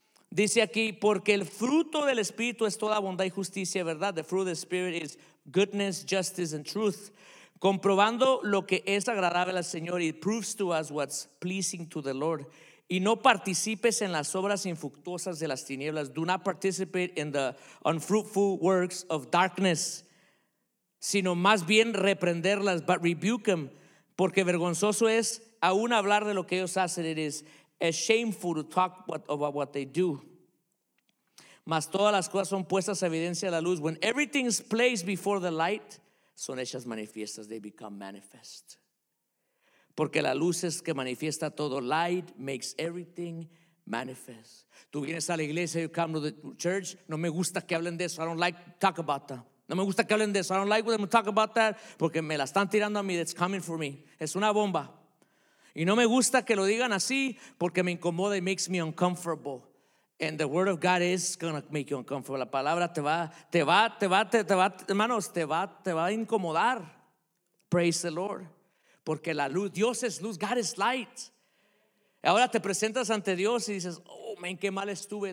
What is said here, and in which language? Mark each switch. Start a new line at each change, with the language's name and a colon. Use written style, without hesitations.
Spanish: Dice aquí, porque el fruto del Espíritu es toda bondad y justicia, ¿verdad?
English: The fruit of the Spirit is goodness, justice, and truth.
Spanish: Comprobando lo que es agradable al Señor,
English: it proves to us what's pleasing to the Lord.
Spanish: Y no participes en las obras infructuosas de las tinieblas.
English: Do not participate in the unfruitful works of darkness,
Spanish: sino más bien reprenderlas,
English: but rebuke them,
Spanish: porque vergonzoso es aún hablar de lo que ellos hacen.
English: It is It's shameful to talk about what they do.
Spanish: Mas todas las cosas son puestas a evidencia de la luz.
English: When everything is placed before the light,
Spanish: son hechas manifiestas,
English: they become manifest.
Spanish: Porque la luz es que manifiesta todo.
English: Light makes everything manifest.
Spanish: Tú vienes a la iglesia,
English: you come to the church.
Spanish: No me gusta que hablen de eso.
English: I don't like to talk about that.
Spanish: No me gusta que hablen de eso.
English: I don't like them to talk about that.
Spanish: Porque me la están tirando a mí.
English: It's coming for me.
Spanish: Es una bomba. Y no me gusta que lo digan así porque me incomoda.
English: It makes me uncomfortable. And the word of God is going to make you uncomfortable.
Spanish: La palabra te va a incomodar.
English: Praise the Lord.
Spanish: Porque la luz, Dios es luz.
English: God is light.
Spanish: Ahora te presentas ante Dios y dices, oh man, qué mal estuve.